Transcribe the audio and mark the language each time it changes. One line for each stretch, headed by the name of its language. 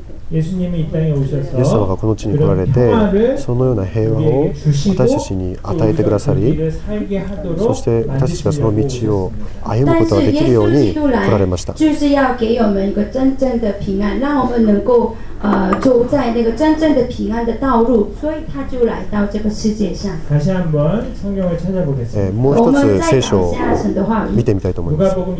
Japanese: イエス様がこの地に来られて、そのような平和を私たちに与えてくださり、そして私たちがその道を歩むことができるように来られました。
Chinese: 就是要给我们一个真正的平安，让我们能够走在那个真正的平安的道路，所以他就来到这个世界上。
Korean: 다시한번성경을찾아보겠습니다。
Japanese: もう一つ聖書を見てみたいと思います。